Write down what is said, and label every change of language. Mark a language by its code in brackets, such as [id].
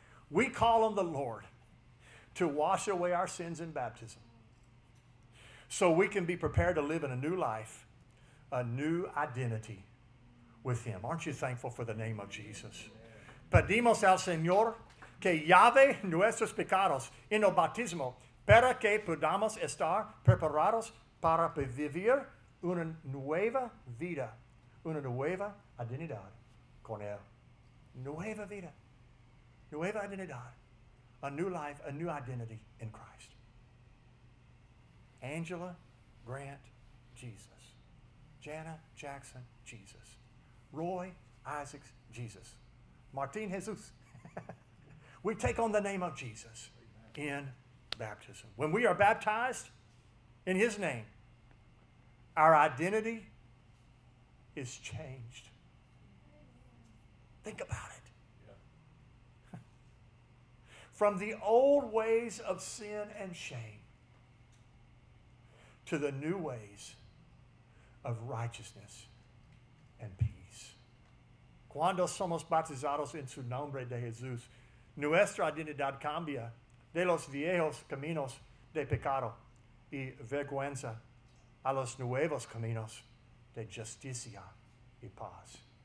[en] We call on the Lord to wash away our sins in baptism so we can be prepared to live in a new life, a new identity with Him. Aren't you thankful for the name of Jesus? [es] Pedimos al Señor que lave nuestros pecados en el bautismo para que podamos estar preparados para vivir una nueva vida, una nueva identidad con Él. Nueva vida, nueva identidad, [en] a new life, a new identity in Christ. Angela Grant, Jesus. Jana Jackson, Jesus. Roy Isaacs, Jesus. Martin Jesus. We take on the name of Jesus in baptism. When we are baptized in His name, our identity is changed. Think about it. From the old ways of sin and shame to the new ways of righteousness and peace. [es] Cuando somos bautizados en su nombre de Jesús, nuestra identidad cambia de los viejos caminos de pecado y vergüenza a los nuevos caminos de justicia y paz.